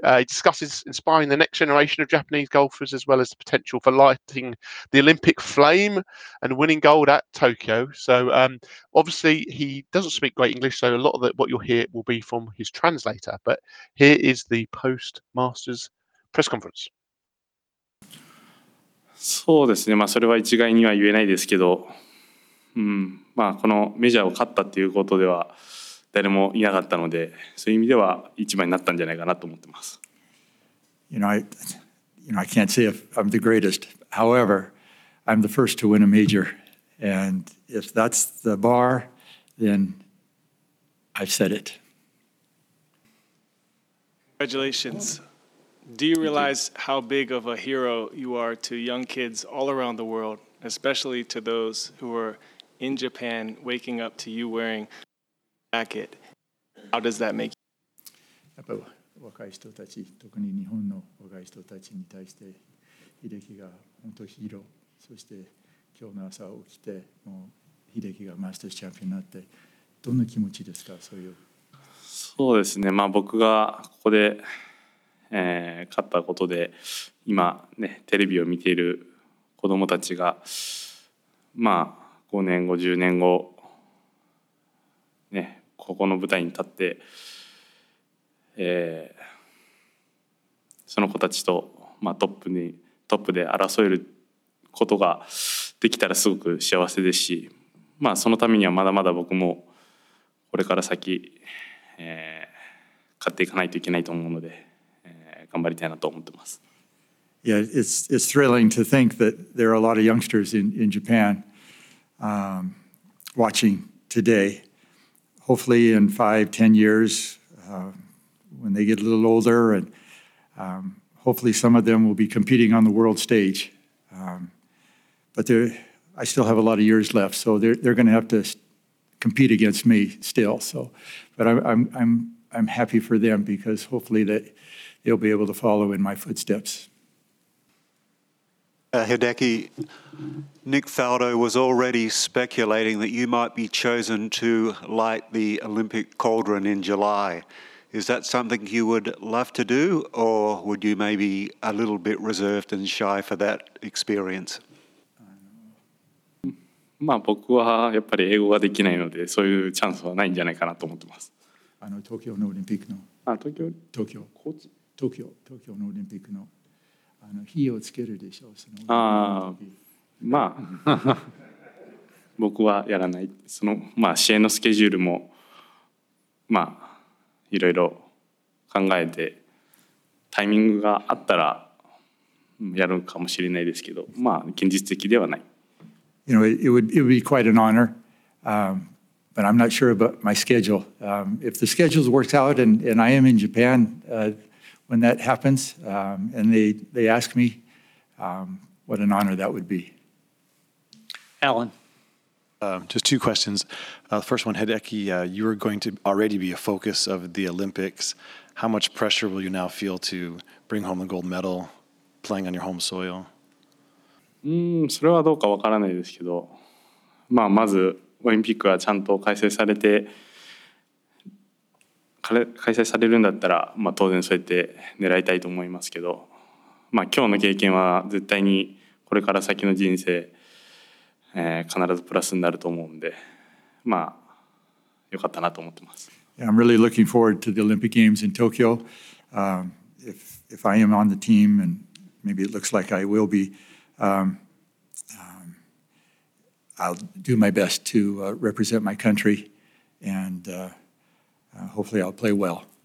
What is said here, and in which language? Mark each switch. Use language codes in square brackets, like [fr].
[en] He discusses inspiring the next generation of Japanese golfers, as well as the potential for lighting the Olympic flame and winning gold at Tokyo. So obviously he doesn't speak great English, so a lot of what you'll hear will be from his translator. But here is the post-Masters press conference. [ja] そうですね、まあ、それは一概には言えないですけど、まあ、このメジャーを勝ったっていうことでは誰もいなかったので、そういう意味では一番になったんじゃないかなと思ってます。 [en] You know, I can't say if I'm the greatest. However, I'm the first to win a major. And if that's the bar, then I've set it. Congratulations. Do you realize how big of a hero you are to young kids all around the world, especially to those who are in Japan waking up to you wearing jacket. How does that make you? [ja] やっぱり若い人たち、特に日本の若い人たちに対して、秀樹が本当ヒーロー。そして今日の朝起きて、もう秀樹がマスターズチャンピオンになって、どんな気持ちですか、そういう。そうですね。まあ僕がここで、勝ったことで、今ねテレビを見ている子供たちが、まあ5年後、10年後。ね、ここの舞台に立って、その子たちと、まあ、トップで争えることができたらすごく幸せですし、まあ、そのためにはまだまだ僕もこれから先、勝っていかないといけないと思うので、頑張りたいなと思ってます。 [en] Yeah, it's thrilling to think that there are a lot of youngsters in Japan watching today. Hopefully in 5-10 years, when they get a little older, and hopefully some of them will be competing on the world stage. But I still have a lot of years left, so they're going to have to compete against me still. So, but I'm happy for them, because hopefully that they'll be able to follow in my footsteps. Hideki, Nick Faldo was already speculating that you might be chosen to light the Olympic cauldron in July. Is that something you would love to do, or would you maybe a little bit reserved and shy for that experience? [ja] まあ僕はやっぱり英語ができないのでそういうチャンスはないんじゃないかなと思ってます。あの東京のオリンピックの。あ、東京。東京。コーチ。東京。東京のオリンピックの。あの火をつけるでしょう。その。ああ。まあ。僕はやらない。そのまあ試合のスケジュールもまあいろいろ考えてタイミングがあったらやるかもしれないですけど、まあ現実的ではない。 [en] You know, it would be quite an honor, but I'm not sure about my schedule. If the schedule works out and I am in Japan when that happens, and they ask me, what an honor that would be. Alan. Just two questions. The first one, Hideki, you are going to already be a focus of the Olympics. How much pressure will you now feel to bring home the gold medal playing on your home soil? [ja] それはどうかわからないですけど、まあ、まずオリンピックがちゃんと開催されて開催されるんだったら、まあ、当然そうやって狙いたいと思いますけど、まあ、今日の経験は絶対にこれから先の人生、必ずプラスになると思うんで、まあ、よかったなと思ってます。 [en] Yeah, I'm really looking forward to the Olympic Games in Tokyo. If I am on the team, and maybe it looks like I will beI'll do my best to represent my country, and hopefully I'll play well.